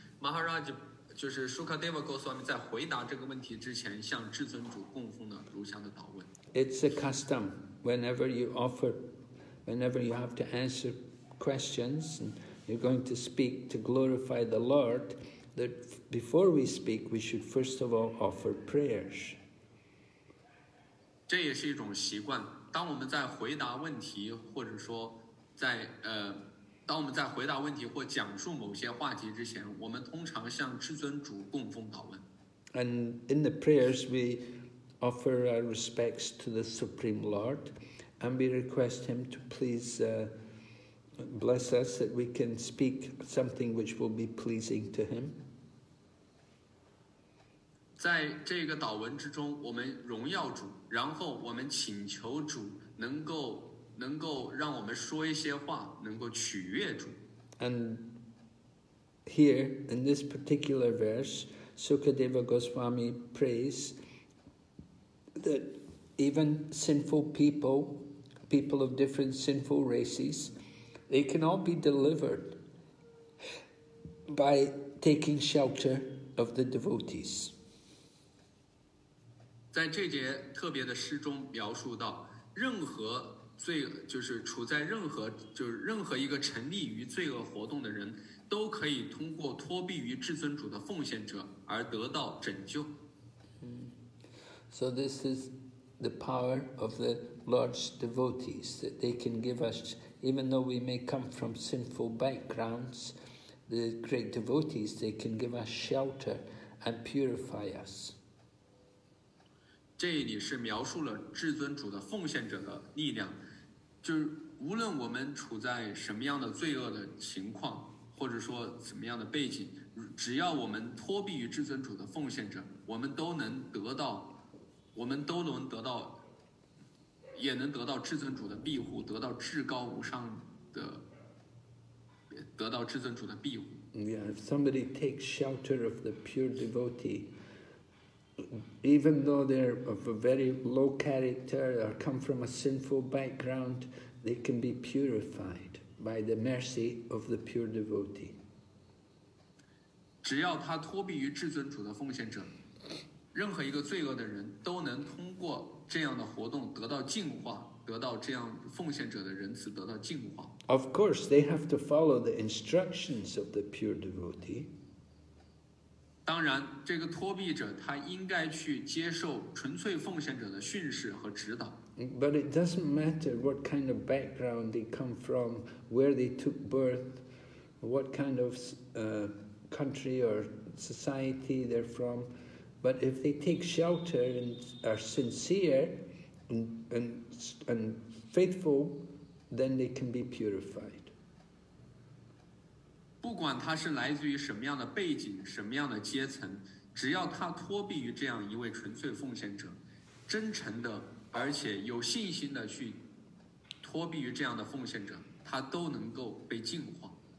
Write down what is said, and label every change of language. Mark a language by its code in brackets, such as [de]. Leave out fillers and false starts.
[zh] Maharaj就是 Sukadeva Goswami 在回答这个问题之前向至尊主供奉了如下的祷文。 [en] It's a custom. Whenever you have to answer questions and you're going to speak to glorify the Lord, that before we speak, we should first of all offer prayers. [zh] 这也是一种习惯。当我们在回答问题或者说在当我们在回答问题或讲述某些话题之前，我们通常向至尊主供奉祷文。 [en] And in the prayers, we offer our respects to the Supreme Lord, and we request Him to please bless us that we can speak something which will be pleasing to Him. [zh] 在这个祷文之中，我们荣耀主，然后我们请求主能够让我们说一些话，能够取悦主。 [en] And here in this particular verse, Sukadeva Goswami prays that even sinful people people of different sinful races, they can all be delivered by taking shelter of the devotees. [zh] 在这节特别的诗中描述到，任何罪就是处在任何就是任何一个沉溺于罪恶活动的人，都可以通过托庇于至尊主的奉献者而得到拯救。 [en] So this is the power of the Lord's devotees that they can give us, even though we may come from sinful backgrounds, the great devotees, they can give us shelter and purify us. [zh] 这里是描述了至尊主的奉献者的力量，就是无论我们处在什么样的罪恶的情况，或者说怎么样的背景，只要我们托庇于至尊主的奉献者，我们都能得到。我们都能得到，也能得到至尊主的庇护，得到至高无上的，得到至尊主的庇护。 [en] Yeah, if somebody takes shelter of the pure devotee, even though they're of a very low character or come from a sinful background, they can be purified by the mercy of the pure devotee. [zh] 只要他托庇于至尊主的奉献者。任何一个罪恶的人都能通过这样的活动得到净化，得到这样奉献者的仁慈得到净化。 [en] Of course, they have to follow the instructions of the pure devotee. [zh] 当然，这个托庇者他应该去接受纯粹奉献者的训示和指导。 [en] But it doesn't matter what kind of background they come from, where they took birth, what kind of country or society they're from. But if they take shelter and are sincere and faithful, then they can be purified. [zh] 不管他是来自于什么样的背景、什么样的阶层，只要他托庇于这样一位纯粹奉献者，真诚的而且有信心的去托庇于这样的奉献者，他都能够被净化。